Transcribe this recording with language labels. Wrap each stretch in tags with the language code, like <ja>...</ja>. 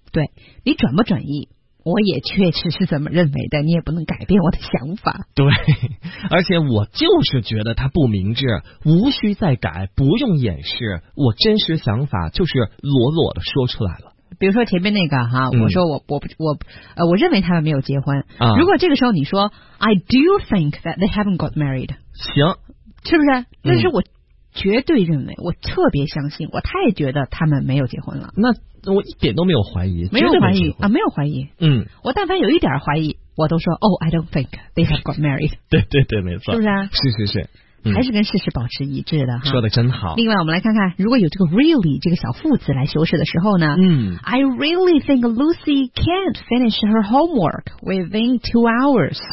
<zh>对，你转不转移，我也确实是这么认为的，你也不能改变我的想法。对，而且我就是觉得他不明智，无需再改，不用掩饰，我真实想法就是裸裸的说出来了。比如说前面那个哈，我说我认为他们没有结婚。如果这个时候你说</zh> <en>I do think that they haven't got married，</en> <zh>行，是不是？但是我。绝对认为，我特别相信，我太觉得他们没有结婚了。那我一点都没有怀疑，没有怀疑啊，没有怀疑。嗯，我但凡有一点怀疑，我都说</zh> <en>I don't think they have got married。</en> <zh>对对对，没错，是不是啊？是是是，还是跟事实保持一致的哈。说的真好。另外，我们来看看，如果有这个 really 这个小副词来修饰的时候呢？</zh> <en>I really think Lucy can't finish her homework within 2 hours。</en>